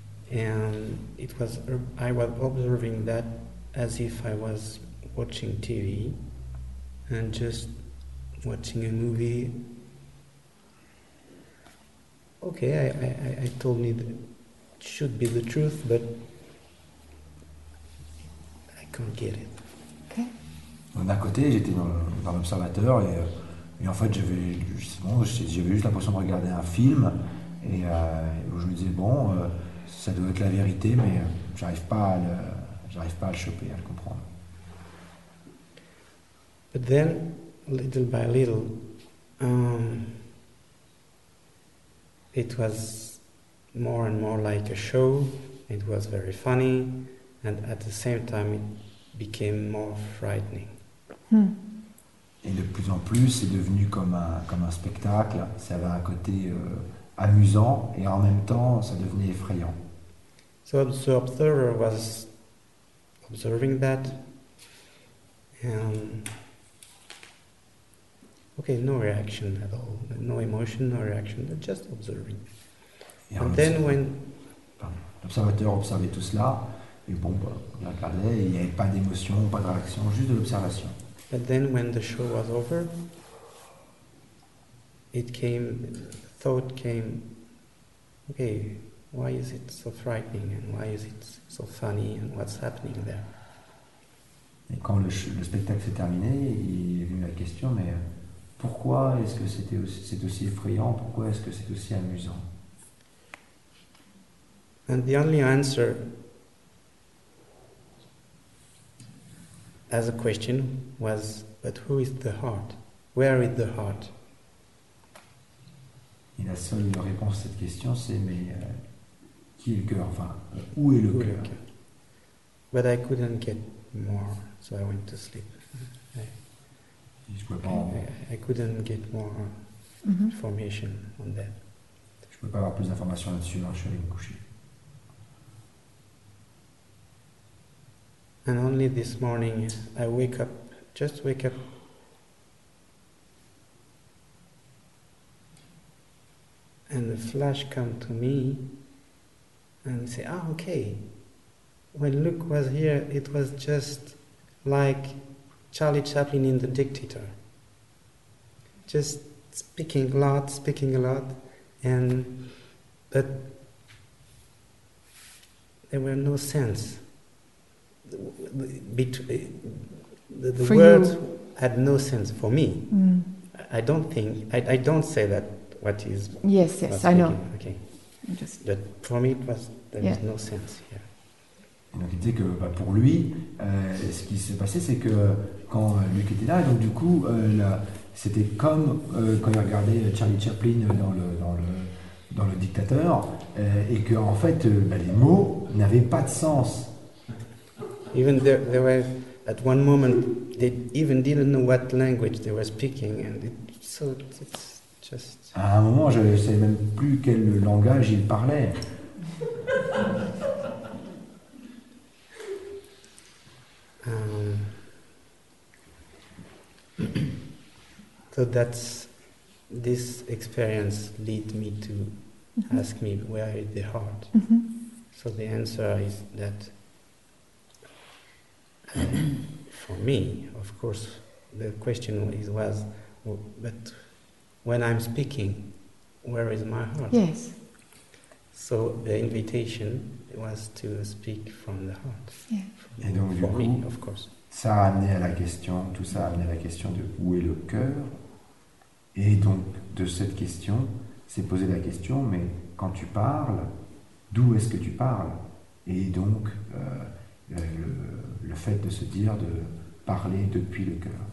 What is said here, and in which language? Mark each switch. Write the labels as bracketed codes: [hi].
[en] And I was observing that as if I was watching TV and just watching a movie. Okay, I told me that. Should be the truth, but I can't get it. Okay. [fr] D'un côté, j'étais dans l'observateur et en fait, j'avais juste l'impression de regarder un film et où je me disais ça doit être la vérité, mais j'arrive pas à le choper, à le comprendre. [en] But then, little by little, it was. More and more like a show, it was very funny, and at the same time it became more frightening. [fr] Et de plus en plus, c'est devenu comme un spectacle. Ça avait un côté amusant et en même temps, ça devenait effrayant. [en] So observer was observing that, and okay, no reaction at all, no emotion, no reaction, but just observing. And then [fr] l'observateur observait tout cela et il regardait, il n'y avait pas d'émotion, pas de réaction, juste de l'observation. [en] But then when the show was over, thought came, okay, why is it so frightening and why is it so funny and what's happening there? [fr] Et quand le spectacle s'est terminé, il est venu la question, mais pourquoi est-ce que c'est aussi effrayant, pourquoi est-ce que c'est aussi amusant? [en] And the only answer as a question was, but who is the heart? Where is the heart? [fr] Et la seule réponse à cette question, c'est, qui est le cœur? Enfin, où est le cœur? [en] But I couldn't get more, so I went to sleep. I couldn't get more information on that. [fr] Je ne peux pas avoir plus d'informations là-dessus, je suis allé me coucher. [en] And only this morning, I wake up, and the flash come to me, and say, "Ah, okay. When Luke was here, it was just like Charlie Chaplin in The Dictator. Just speaking a lot, but there were no sense." The words had no sense for me. I don't say that what is. Yes, yes, I know. Okay. But for me, there was no sense here. [fr] Et donc il disait que pour lui, ce qui s'est passé, c'est que quand Luc était là, donc du coup, c'était comme quand il regardait Charlie Chaplin dans le dictateur, et que en fait, les mots n'avaient pas de sens. [en] Even there were at one moment they even didn't know what language they were speaking, and it's Just... [fr] À un moment, je ne savais même plus quel langage il parlait. [en] So that's this experience lead me to mm-hmm. ask me where is the heart. Mm-hmm. So the answer is that for me, of course, the question was, but when I'm speaking, where is my heart? Yes. So the invitation was to speak from the heart. Yeah. [fr] Et donc, [en] for [fr] du coup, [en] me, of course. [fr] Ça a amené à la question, tout ça a amené à la question de où est le cœur. Et donc, de cette question, c'est poser la question, mais quand tu parles, d'où est-ce que tu parles? Et donc, le fait de se dire de parler depuis le cœur.